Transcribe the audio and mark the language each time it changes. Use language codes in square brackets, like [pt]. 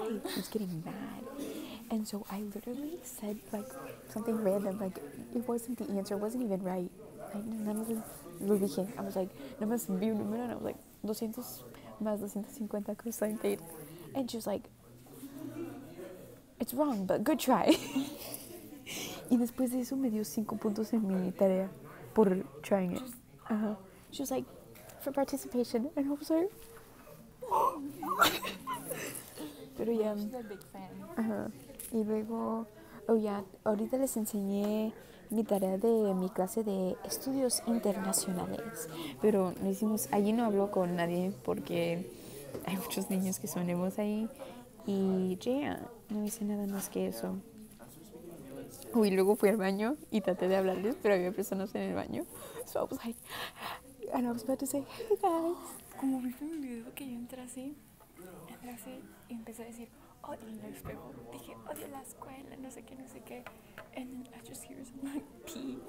[en] She was getting mad. And so I literally said, like, something random. Like, it wasn't the answer, it wasn't even right. I was like, [es] no más vi un número, [en] and I was like, 200 [es] más [en] 250 cosine theta. And she was like, it's wrong, but good try. [es] Y después de eso me dio 5 puntos en mi tarea por [en] trying it. She was like, for participation. And I was like, [es] pero ya. [en] She's a big fan. [es] Y luego, oh yeah, ahorita les enseñé mi tarea de mi clase de estudios internacionales, pero no hicimos, allí no hablo con nadie porque hay muchos niños que son emos ahí, Y ya, yeah, no hice nada más que eso. Uy, luego fui al baño y traté de hablarles, pero había personas en el baño. [en] So I was like, and I was about to say, hey guys. [es] Como viste en mi video que yo entré así y empecé a decir, odio la escuela. Dije, odio la escuela, no sé qué. [en] And then I just hear some like pee.